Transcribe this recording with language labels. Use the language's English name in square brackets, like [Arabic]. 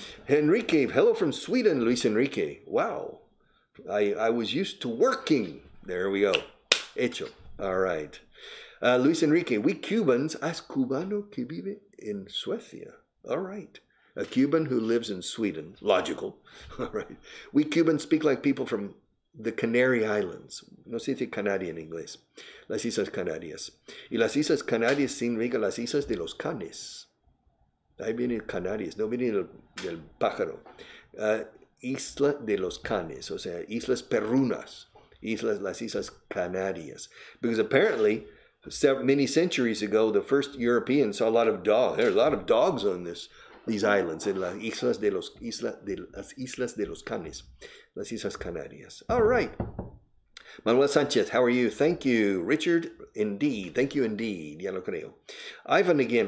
[English] Enrique, hello from Sweden, Luis Enrique. Wow. I was used to working. There we go. Hecho. All right. Luis Enrique, we Cubans, as [Spanish] cubano que vive en Suecia. [English] All right. A Cuban who lives in Sweden. Logical. All right. We Cubans speak like people from the Canary Islands. [Spanish] No se dice Canadian inglés. Las Islas Canarias. Y las Islas Canarias significa las Islas de los Canes. Ahí viene Canarias, no viene del pájaro. Isla de los Canes, o sea, Islas Perrunas, las Islas Canarias. [English] Because apparently, many centuries ago, the first Europeans saw a lot of dogs. There are a lot of dogs on these islands, in [Spanish] las Islas de los Canes, las Islas Canarias. [English] All right. Manuel Sanchez, how are you? Thank you. Richard, indeed. Thank you, indeed. [Spanish] Ya lo creo. [English] Ivan again.